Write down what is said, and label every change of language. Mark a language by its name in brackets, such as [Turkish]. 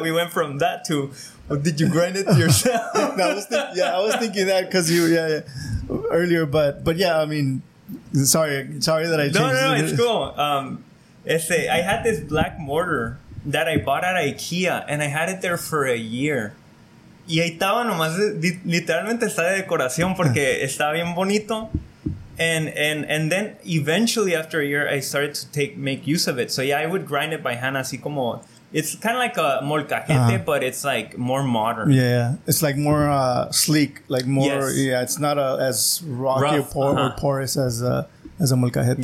[English] We went from that to... Did you grind it yourself? No, I was thinking that because you, earlier, but yeah, I mean, sorry that I changed. No, it's cool. I had this black mortar that I bought at IKEA, and I had it there for a year. [Spanish] Y ahí estaba nomás, literalmente está de decoración porque está bien bonito. [English] And then eventually after a year, I started to make use of it. So yeah, I would grind it by hand, [Spanish] así como... [English] It's kind of like a molcajete, but it's like more modern. Yeah, it's like more sleek, like more. Yes. Yeah, it's not as rocky or porous as a molcajete.